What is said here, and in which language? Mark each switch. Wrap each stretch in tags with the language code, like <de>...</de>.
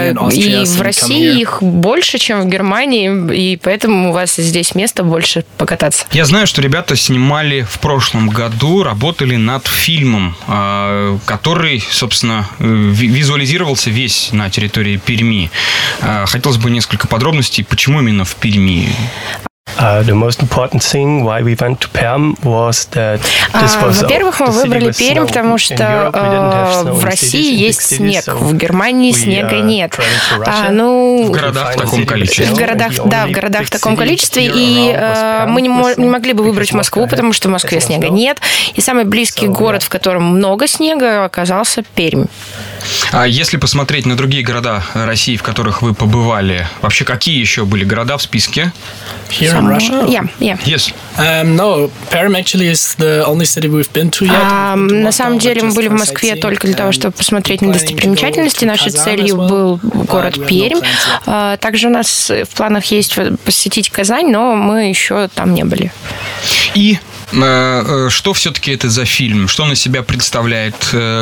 <ru>И в России их больше, чем в Германии, и поэтому у вас здесь места больше покататься. Я знаю, что ребята снимали в прошлом году, работали над фильмом, который, собственно, визуализировался весь на территории Перми. Хотелось бы несколько подробностей, почему именно в Перми.</ru> <en>The most important thing why we went to Perm was that this was</en> <ru>во-первых, мы выбрали Пермь, потому что в России есть снег, в Германии снега нет. В городах в таком количестве. Мы не могли бы выбрать Москву, потому что в Москве снега нет. И самый близкий город, в котором много снега, оказался Пермь. А если посмотреть на другие города России, в которых вы побывали, вообще какие еще были города в списке?</ru> <en>Here in Russia? Yeah. Yes. No, Perm actually is the only city we've been to yet.</en> <ru>На самом деле мы были в Москве только для того, чтобы посмотреть на достопримечательности. Нашей целью был город Пермь. Также у нас в планах есть посетить Казань, но мы еще там не были. И что все-таки это за фильм? Что он из себя представляет?</ru>